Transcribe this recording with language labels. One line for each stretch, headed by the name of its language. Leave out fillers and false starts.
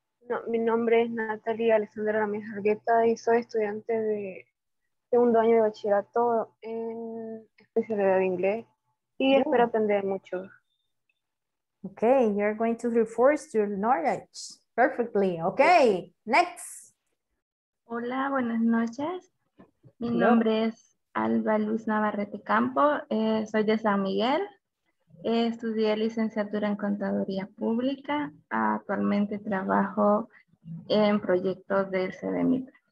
Spanish: No, mi nombre es Natalia Alexandra Ramírez Argueta y soy estudiante de segundo año de bachillerato en especialidad de inglés y espero aprender mucho.
English: Okay, you're going to reinforce your knowledge perfectly. Okay, next.
Spanish: Hola, buenas noches. Mi nombre es Alba Luz Navarrete Campo, soy de San Miguel. Estudié licenciatura en contaduría pública. Actualmente trabajo en proyectos de CDMIT.